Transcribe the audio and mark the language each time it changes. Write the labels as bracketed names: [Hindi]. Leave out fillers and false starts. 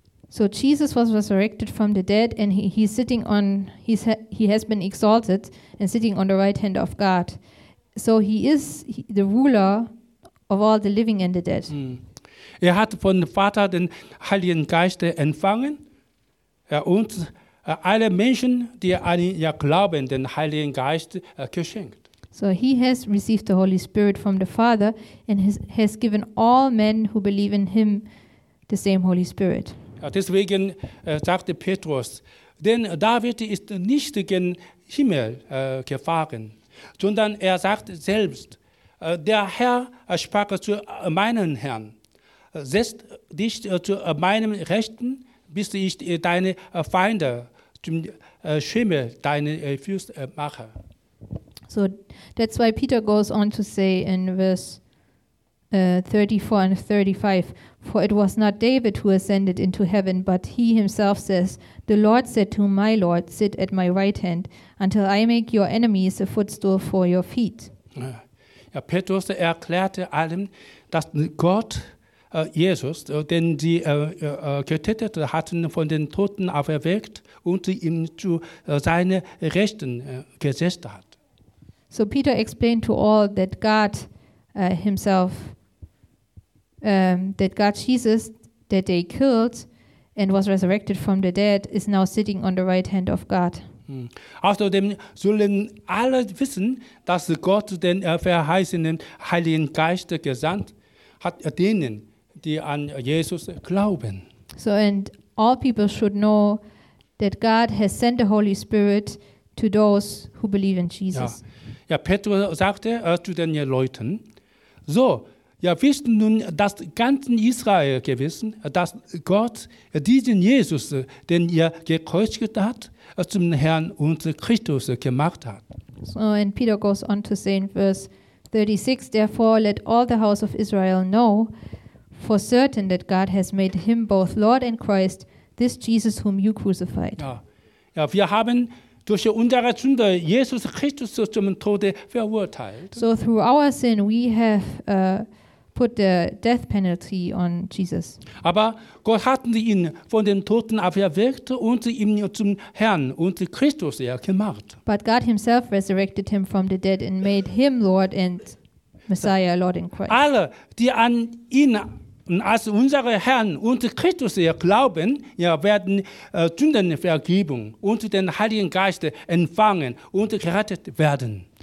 [English] So Jesus was resurrected from the dead and he has been exalted and sitting on the right hand of God. So he is the ruler of all the living and the dead. Mm. [German] Er hat von dem Vater den Heiligen Geist empfangen, ja, und alle Menschen, die an ihn glauben, den Heiligen Geist geschenkt. [English] So he has received the Holy Spirit from the Father and has given all men who believe in him the same Holy Spirit. [German] Ja, deswegen sagte Petrus, denn David ist nicht gen Himmel gefahren, sondern er sagt selbst, der Herr sprach zu meinem Herrn, setz dich zu meinem Rechten, bis ich deine Feinde zum Schemel deine Füße mache. [English] So that's why Peter goes on to say in verse 34 and 35. For it was not David who ascended into heaven, but he himself says, the Lord said to my Lord, sit at my right hand until I make your enemies a footstool for your feet. [German] Ja, Petrus erklärte allem, dass Gott Jesus, den sie getötet hatten, von den Toten auferweckt und ihm zu seinen Rechten gesetzt hat. [English] So Peter explained to all that God himself, that God Jesus, that they killed and was resurrected from the dead, is now sitting on the right hand of God. [German] Außerdem sollen alle wissen, dass Gott den verheißenen Heiligen Geist gesandt hat, denen, die an Jesus glauben. [English] So, and all people should know that God has sent the Holy Spirit to those who believe in Jesus. [German] Ja, ja, Petrus sagte zu den Leuten, so, ja, wisst nun das ganze Israel gewissen, dass Gott diesen Jesus, den ihr gekreuzigt hat, zum Herrn und Christus gemacht hat. [English] So, and Peter goes on to say in verse 36, therefore let all the house of Israel know for certain that God has made him both Lord and Christ, this Jesus whom you crucified. [German] Ja, ja, wir haben durch unsere Sünde Jesus Christus zum Tode verurteilt. [English] So through our sin we have put the death penalty on Jesus. [German] Aber Gott hat ihn von den Toten auferweckt und ihn zum Herrn und Christus gemacht. [English] But God himself resurrected him from the dead and made him Lord and Messiah, Lord in Christ. [German] Alle, die an ihn als unseren Herrn und Christus glauben, ja, werden Sündenvergebung und den Heiligen Geist empfangen und gerettet werden.